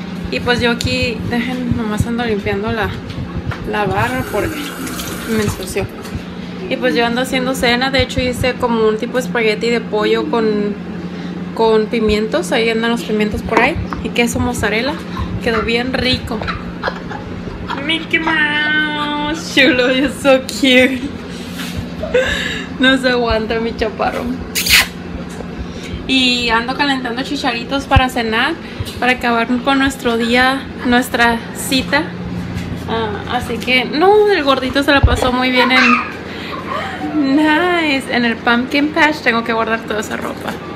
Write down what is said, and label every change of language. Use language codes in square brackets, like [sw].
[es] Y pues yo aquí, dejen, nomás ando limpiando la barra porque me ensució. Y pues yo ando haciendo cena, de hecho hice como un tipo de espagueti de pollo con pimientos, ahí andan los pimientos por ahí, y queso mozzarella, quedó bien rico. [en] Mickey Mouse, chulo, you're so cute. [es] No se aguanta mi chaparro. Y ando calentando chicharitos para cenar, para acabar con nuestro día, nuestra cita. Así que, no, el gordito se la pasó muy bien en... Nice, en el pumpkin patch tengo que guardar toda esa ropa.